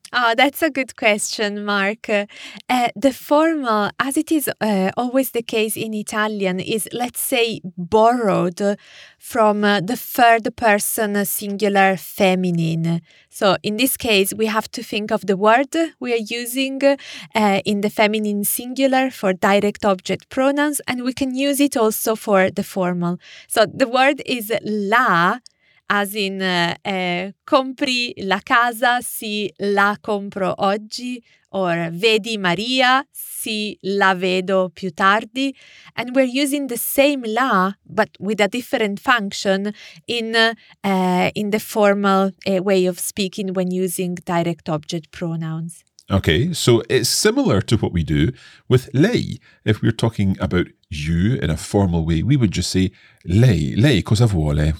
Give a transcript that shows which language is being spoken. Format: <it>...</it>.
<en>Oh, that's a good question, Mark. The formal, as it is always the case in Italian, is, let's say, borrowed from the third person singular feminine. So in this case, we have to think of the word we are using in the feminine singular for direct object pronouns, and we can use it also for the formal. So the word is la, as in</en> <it>compri la casa, si la compro oggi,</it> <en>or</en> <it>vedi Maria, si la vedo più tardi.</it> <en>And we're using the same la, but with a different function in the formal way of speaking when using direct object pronouns. Okay, so it's similar to what we do with lei. If we're talking about you in a formal way, we would just say</en> <it>lei, lei, cosa vuole?</it>